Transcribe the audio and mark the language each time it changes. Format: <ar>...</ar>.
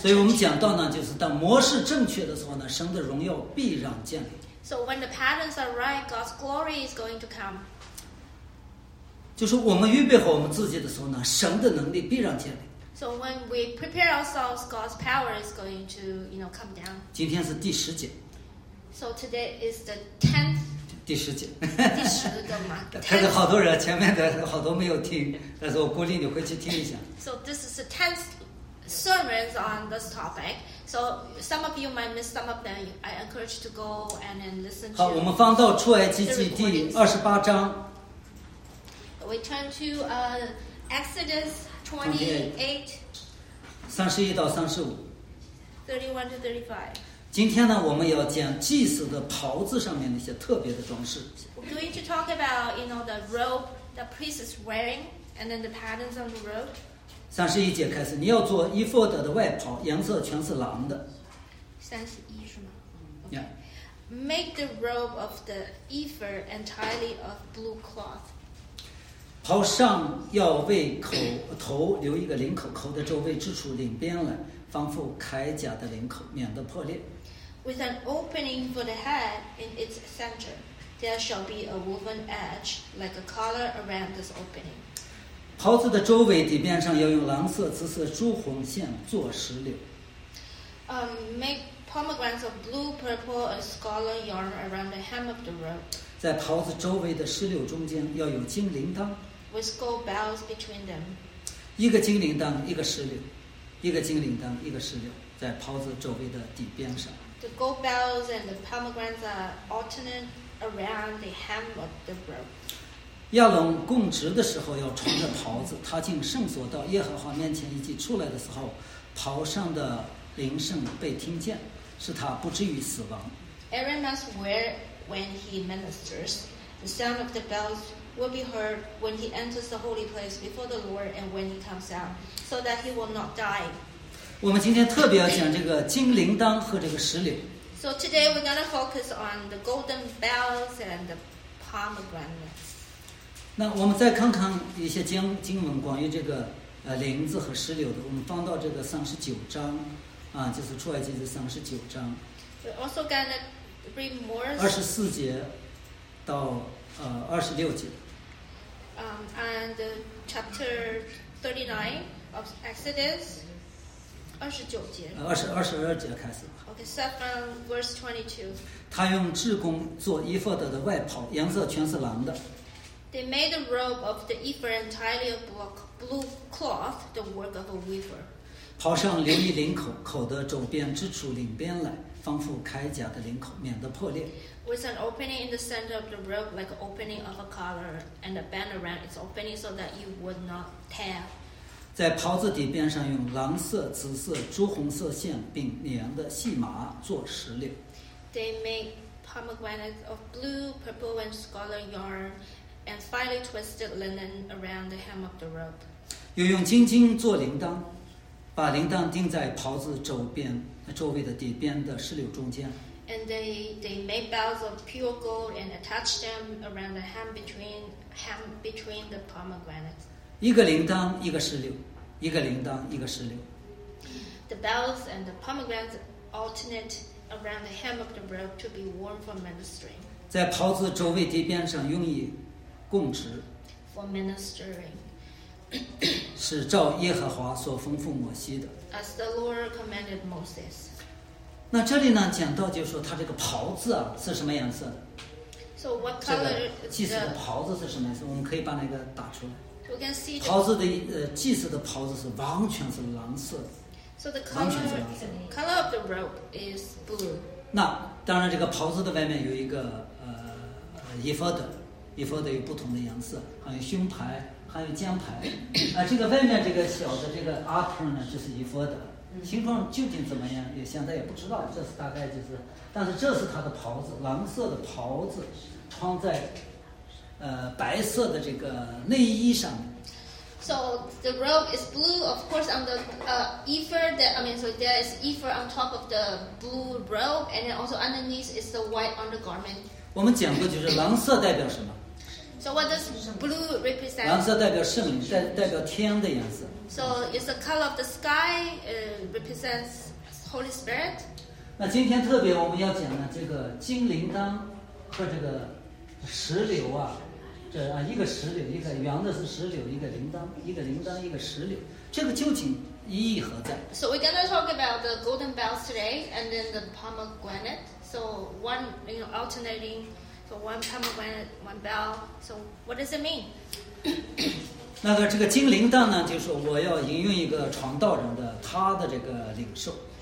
<zh>所以我们讲到呢，就是当模式正确的时候呢，神的荣耀必让降临。</zh> <en>So when the patterns are right, God's glory is going to come.</en> <zh>就是我们预备好我们自己的时候呢，神的能力必让降临。</zh> <en>So when we prepare ourselves, God's power is going to, you know, come down.</en> <zh>今天是第十节。</zh> <en>So today is the tenth.</en> <zh>第十节。第十个嘛。但是好多人前面的好多没有听，但是我鼓励你回去听一下。</zh> <en>So this is the tenth sermons on this topic. So some of you might miss some of them. I encourage you to go and then listen.</en> <zh>好，我们翻到出埃及记第二十八章。</zh> <en>We turn to Exodus. 28:31-35 31-35</en> <zh>今天呢我们要讲祭司的袍子上面那些特别的装饰。</zh> <en>We're going to talk about, you know, the robe the priest is wearing and then the patterns on the robe.</en> <zh>31节开始，你要做以弗德的外袍，颜色全是蓝的。 31是吗？</zh> <en>Make the robe of the ephod entirely of blue cloth.</en> <zh>袍上要为头留一个领口，口的周围织出领边来，仿佛铠甲的领口，免得破裂。</zh> <en>With an opening for the head in its center, there shall be a woven edge like a collar around this opening.</en> <zh>袍子的周围底边上要用蓝色、紫色、朱红线做石榴。</zh> <en>Make pomegranates of blue, purple, and scarlet yarn around the hem of the robe.</en> <zh>在袍子周围的石榴中间要有金铃铛。</zh> <en>With gold bells between them,</en> <zh>一个金铃铛，一个石榴，一个金铃铛，一个石榴，在袍子周围的底边上。</zh> <en>The gold bells and the pomegranates are alternate around the hem of the robe.</en> <zh>亚伦供职的时候要穿着袍子，他进圣所到耶和华面前，以及出来的时候，袍上的铃声被听见，使他不至于死亡。</zh> <en>Aaron must wear when he ministers. The sound of the bells. Will be heard when he enters the holy place before the Lord and when he comes out, so that he will not die.</en> <zh>我们今天特别要讲这个金铃铛和这个石榴。</zh> <en>So today we're going to focus on the golden bells and the pomegranates.</en> <zh>那我们再看看一些经文关于这个铃子和石榴的。我们翻到这个39章，啊，就是出埃及记39章。</zh> <en>We're also going to bring more.</en> <zh>24节到。26节。</zh> <en>And chapter 39 of Exodus.</en> <zh>29节。 22节开始。</zh> <en>Okay, start from verse 22.</en> <zh>他用制工做以弗德的外袍，颜色全是蓝的。</zh> <en>They made the robe of the ephod entirely of blue cloth, the work of a weaver.</en> <zh>袍上留一领口，口的周边织出领边来。仿佛铠甲的领口，免得破裂。</zh> <en>With an opening in the center of the robe, like an opening of a collar, and a band around its opening, so that you would not tear.</en> <zh>在袍子底边上用蓝色、紫色、朱红色线，并粘的细麻做石榴。</zh> <en>They make pomegranates of blue, purple, and scarlet yarn, and finely twisted linen around the hem of the robe.</en> <zh>又用金金做铃铛，把铃铛钉在袍子周边。周围的底边的石榴中间。</zh> <en>And they made bells of pure gold and attached them around the hem between the pomegranates.</en> <zh>一个铃铛，一个石榴，一个铃铛，一个石榴。</zh> <en>The bells and the pomegranates alternate around the hem of the robe to be worn for ministering.</en> <zh>在袍子周围底边上用以供职。</zh> <en>For ministering.</en> <zh>是照耶和华所吩咐摩西的。</zh> <en>As the Lord commanded Moses.</en> <zh>那这里呢讲到就是说他这个袍子啊是什么颜色的。</zh> <en>So what color</en> <zh>祭司的袍子是什么颜色，我们可以把那个打出来。</zh> <en>We can see the</en> <zh>袍子的祭司的袍子是完全是蓝色的。</zh> <en>So the color of the robe is blue.</en> <zh>那当然这个袍子的外面有一个以弗德，以弗德有不同的颜色，还有胸牌。还有肩牌，这个外面这个小的这个 apron 呢，就是以弗德，形状究竟怎么样，也现在也不知道。这是大概就是，但是这是他的袍子，蓝色的袍子，穿在白色的这个内衣上面。</zh> <en>So the robe is blue, of course, on the ephod. I mean, so there is ephod on top of the blue robe, and then also underneath is the white undergarment.</en> <zh>我们讲过，就是蓝色代表什么？</zh> <en>So what does blue represent?</en> <zh>蓝色代表圣灵，代表天的颜色。</zh> <en>So it's the color of the sky, represents Holy Spirit.</en> <zh>那今天特别我们要讲的这个金铃铛和这个石榴啊，这啊一个石榴，一个圆的是石榴，一个铃铛，一个铃铛，一个石榴，这个究竟意义何在</zh> <en>？So we're gonna talk about the golden bells today, and then the pomegranate. So one, you know, alternating. So one pomegranate, one bell. So what does it mean?</en> <zh>那个这个金铃铛呢，就是我要引用一个传道人的他的这个领受。</zh>